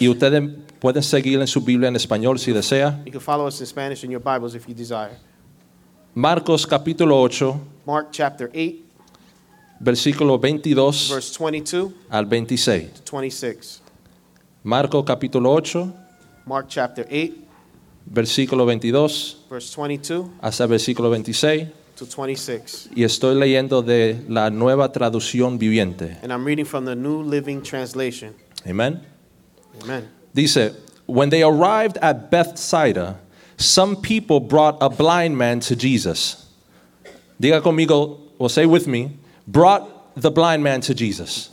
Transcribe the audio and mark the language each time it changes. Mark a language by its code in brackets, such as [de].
[es] Y ustedes pueden seguir en su Biblia en español si desea. [en] You can follow us in Spanish in your Bibles if you desire. [es] Marcos capítulo 8. [en] Mark chapter 8. [es] Versículo 22. [en] Verse 22. [es] Al 26. [en] To 26. [es] Marcos capítulo 8. [en] Mark chapter 8. [es] Versículo 22, [en] verse 22, [es] hasta versículo 26, [en] to 26. [es] Y estoy leyendo de la Nueva Traducción Viviente. [en] And I'm reading from the New Living Translation. [es] Amen. [en] Amen. [es] Dice, [en] when they arrived at Bethsaida, some people brought a blind man to Jesus. [es] Diga conmigo, [en] or say with me, brought the blind man to Jesus.